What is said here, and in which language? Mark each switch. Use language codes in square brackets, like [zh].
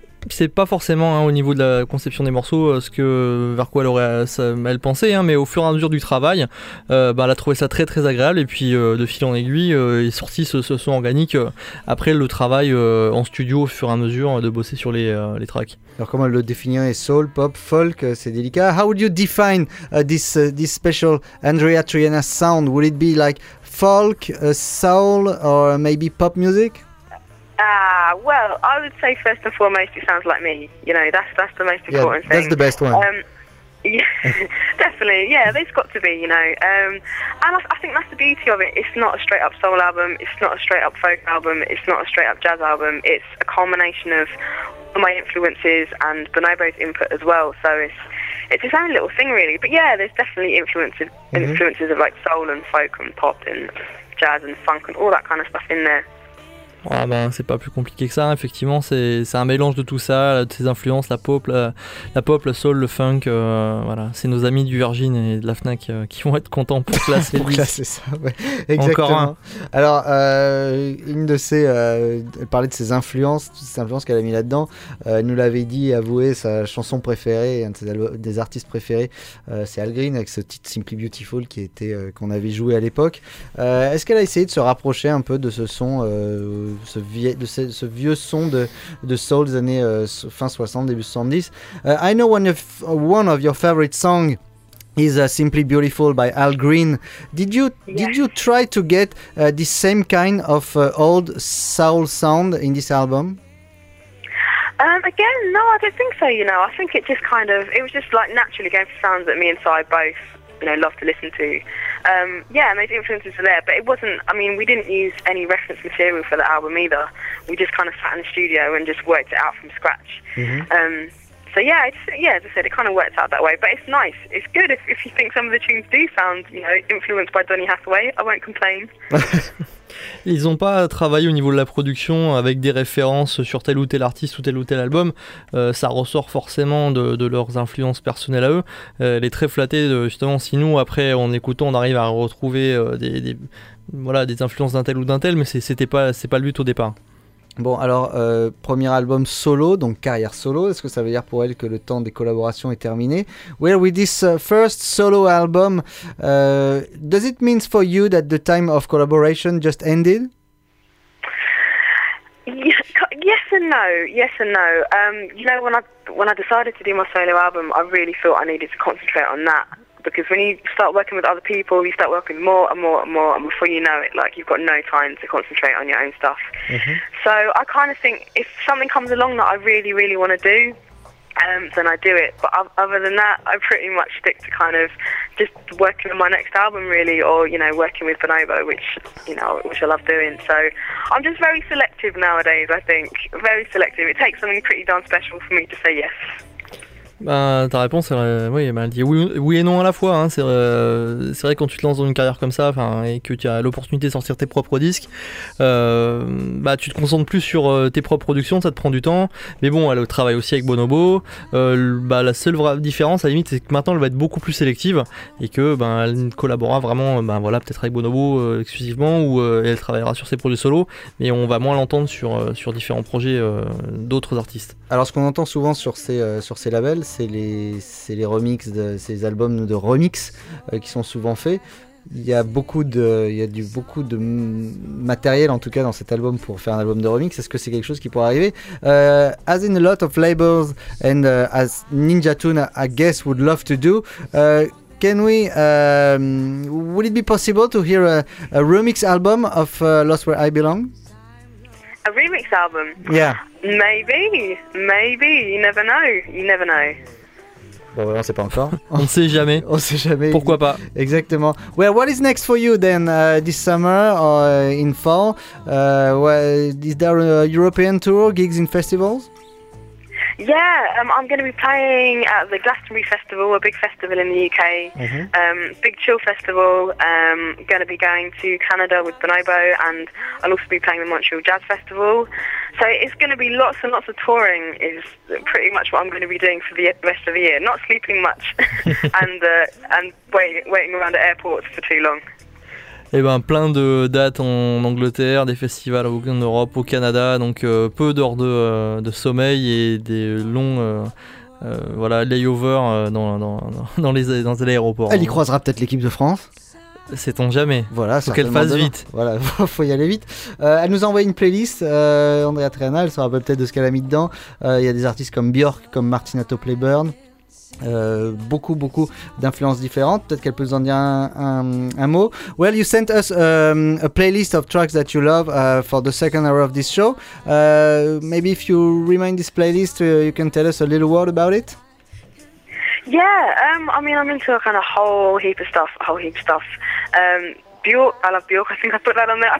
[fr] C'est pas forcément au niveau de la conception des morceaux vers quoi elle pensait, hein, mais au fur et à mesure du travail, elle a trouvé ça très très agréable, et puis de fil en aiguille est sorti ce son organique après le travail en studio au fur et à mesure de bosser sur les tracks. Alors comment le définir, soul, pop, folk, c'est délicat. [en] How would you define this special Andrea Triana sound? Would it be like folk, soul, or maybe pop music? Well, I would say first and foremost, it sounds like me. You know, that's the most important thing. Yeah, that's the best one. Yeah, definitely. Yeah, there's got to be, you know. And I think that's the beauty of it. It's not a straight up soul album. It's not a straight up folk album. It's not a straight up jazz album. It's a combination of my influences and Bonobo's input as well. So it's his own little thing, really. But yeah, there's definitely influences of like soul and folk and pop and jazz and funk and all that kind of stuff in there. [fr] Ah ben, c'est pas plus compliqué que ça, effectivement, c'est un mélange de tout ça, de ses influences, la pop, le soul, le funk, voilà, c'est nos amis du Virgin et de la Fnac qui vont être contents pour classer pour classer ça, ouais. Exactement. Encore un. Alors, une de ses, elle parlait de ses influences, toutes ces influences qu'elle a mis là-dedans, elle nous l'avait dit, avoué, sa chanson préférée, un de ses des artistes préférés, c'est Al Green, avec ce titre Simply Beautiful qu'on avait joué à l'époque. Est-ce qu'elle a essayé de se rapprocher un peu de ce son ce vieux son de soul des années fin 60, début 70. [en] I know one of your favorite songs is Simply Beautiful by Al Green. Did you try to get the same kind of old soul sound in this album? Again, no, I don't think so, you know. I think it was just naturally going for sounds that me and Si both, you know, love to listen to. Yeah, and those influences are there, but it wasn't, I mean, we didn't use any reference material for the album either. We just kind of sat in the studio and just worked it out from scratch. Mm-hmm. So, as I said, it kind of worked out that way, but it's nice. It's good if you think some of the tunes do sound, you know, influenced by Donny Hathaway. I won't complain. [fr] Ils n'ont pas travaillé au niveau de la production avec des références sur tel ou tel artiste ou tel ou tel album. Ça ressort forcément de leurs influences personnelles à eux. Elle est très flattée de, justement, si nous, après, en écoutant, on arrive à retrouver des influences d'un tel ou d'un tel, mais c'est pas le but au départ. Bon, alors, premier album solo, donc carrière solo. Est-ce que ça veut dire pour elle que le temps des collaborations est terminé? [en] Well, with this first solo album, does it mean for you that the time of collaboration just ended? Yes, yes and no. Yes and no. You know, when I decided to do my solo album, I really thought I needed to concentrate on that. Because when you start working with other people, you start working more and more and more, and before you know it, like, you've got no time to concentrate on your own stuff. Mm-hmm. So I kind of think if something comes along that I really, really want to do, then I do it. But other than that, I pretty much stick to kind of just working on my next album, really, or, you know, working with Bonobo, which, you know, which I love doing. So I'm just very selective nowadays, I think. Very selective. It takes something pretty darn special for me to say yes. [fr] Bah, ta réponse, oui, bah, elle dit oui et non à la fois. Hein. C'est vrai que quand tu te lances dans une carrière comme ça, et que tu as l'opportunité de sortir tes propres disques, bah, tu te concentres plus sur tes propres productions, ça te prend du temps. Mais bon, elle travaille aussi avec Bonobo. Bah, la seule vraie différence, à la limite, c'est que maintenant elle va être beaucoup plus sélective et que bah, elle collaborera vraiment, bah, voilà, peut-être avec Bonobo exclusivement, ou elle travaillera sur ses projets solo, mais on va moins l'entendre sur différents projets d'autres artistes. Alors, ce qu'on entend souvent sur ces labels, c'est les remix, ces albums de remix qui sont souvent faits. Il y a beaucoup de matériel, en tout cas, dans cet album pour faire un album de remix. Est-ce que c'est quelque chose qui pourrait arriver? [en] As in a lot of labels and as Ninja Tune, I guess, would love to do, can we, would it be possible to hear a remix album of Lost Where I Belong? A remix album? Yeah. Maybe, you never know. [fr] Bon, on ne sait pas encore. On ne sait jamais. On ne sait jamais. Pourquoi pas? Exactement. [en] Well, what is next for you then, this summer or in fall? Is there a European tour, gigs in festivals? Yeah, I'm going to be playing at the Glastonbury Festival, a big festival in the UK. Mm-hmm. Big chill festival. Going to be going to Canada with Bonobo, and I'll also be playing the Montreal Jazz Festival. So it's going to be lots and lots of touring is pretty much what I'm going to be doing for the rest of the year. Not sleeping much and waiting around at airports for too long. [fr] Et ben plein de dates en Angleterre, des festivals en Europe, au Canada, donc peu d'heures de sommeil et des longs voilà, layovers dans l'aéroport. Elle y croisera peut-être l'équipe de France. Sait-on jamais. Voilà, faut qu'elle fasse demain. Vite. Voilà, faut y aller vite. Elle nous a envoyé une playlist, Andrea Triana, elle se rappelle peut-être de ce qu'elle a mis dedans. Il y a des artistes comme Björk, comme Martina Topley-Byrne. Beaucoup d'influences différentes. Peut-être qu'elle peut nous en dire un mot. [en] Well, you sent us a playlist of tracks that you love for the second hour of this show. Maybe if you remind this playlist, you can tell us a little word about it. Yeah, I mean, I'm into a kind of whole heap of stuff. Björk, I love Björk. I think I put that on there.